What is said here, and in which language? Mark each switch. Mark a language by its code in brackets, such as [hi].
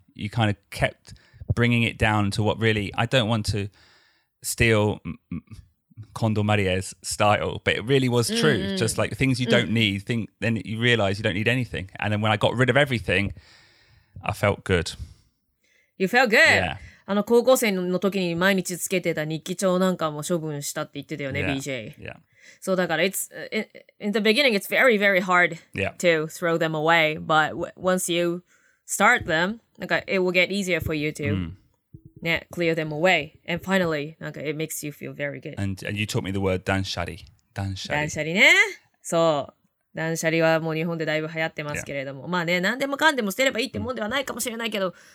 [en] You kind of kept bringing it down to what really I don't want to steal. Condor Marie's style, but it really was true. Just like things you don't need, then you realize you don't need anything. And then when I got rid of everything, I felt good. You felt good? Yeah. [ja] 高校生の時に毎日つけてた日記帳なんかも処分したって言ってたよね、 [en] yeah. BJ. Yeah. So だから it's, in the beginning, it's very, very hard to throw them away. But once you start them, it will get easier for you to. Yeah, clear them away. And finally, it makes you feel very good. And you taught me the word 断捨離.断捨離. [ja] 断捨離ね。そう。断捨離はもう日本でだいぶ流行ってますけれども。まあね、何でもかんでも捨てればいいってもんではないかもしれないけど。